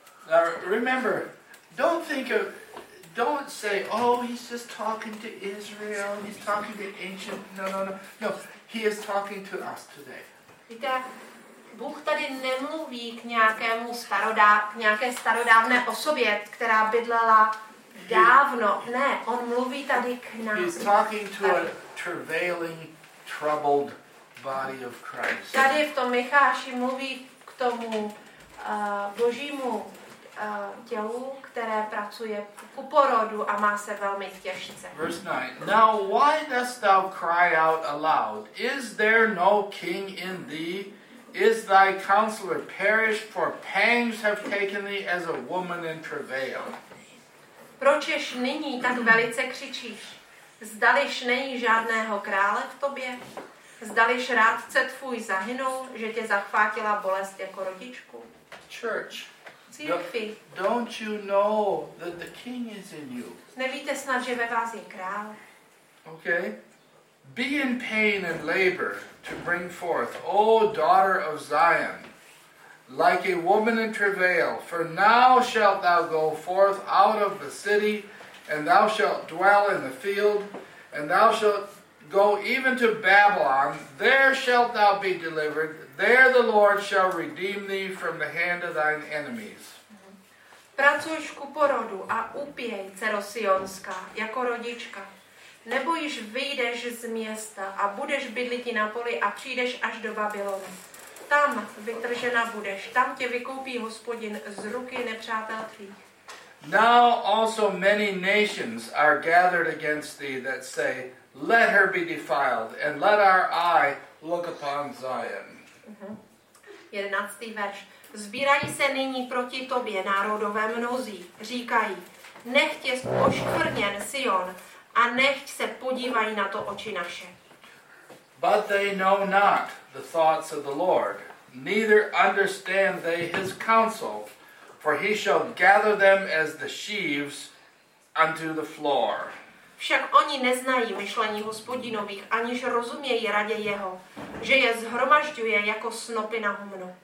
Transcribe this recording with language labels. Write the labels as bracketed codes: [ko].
[en] Now remember, don't say, oh, he's just talking to Israel, he's talking to ancient. No, he is talking to us today. [cs] Víte, Bůh tady nemluví k nějakému nějaké starodávné osobě, která bydlela dávno. Ne, on mluví tady k nám. [en] He's talking to a travailing, troubled body of Christ. [cs] Tady v tom Micháši mluví k tomu božímu tělu, které pracuje ku porodu a má se velmi těžce. [en] Verse 9. Now why dost thou cry out aloud? Is there no king in thee? Is thy counselor perished? For pangs have taken thee as a woman in travail. [cs] Proč ješ nyní tak velice křičíš? Zdališ není žádného krále v tobě? Zdališ rádce tvůj zahynul, že tě zachvátila bolest jako rodičku? [en] Church. [cs] Církvi. [en] Don't you know that the king is in you? [cs] Nevíte snad, že ve vás je král? [en] Okay. Be in pain and labor to bring forth, O daughter of Zion, like a woman in travail. For now shalt thou go forth out of the city, and thou shalt dwell in the field, and thou shalt go even to Babylon. There shalt thou be delivered. There the Lord shall redeem thee from the hand of thine enemies. [cs] Pracuješ ku porodu a upěj, dcero Sionská, jako rodička. Nebo již vyjdeš z města a budeš bydliti na poli a přijdeš až do Babylonu. tam vytržena budeš, tam tě vykoupí Hospodin z ruky nepřátel tvých. [en] Now also many nations are gathered against thee that say, let her be defiled, and let our eye look upon Zion. [cs] 11. verš. Zbírají se nyní proti tobě národové mnozí, říkají, nechť je oškvrněn Sion a nechť se podívají na to oči naše. [en] But they know not the thoughts of the Lord, neither understand they his counsel, for he shall gather them as the sheaves unto the floor. [cs] Však oni neznají myšlení Hospodinových, aniž rozumějí radě jeho, že je zhromažďuje jako snopy na humnu.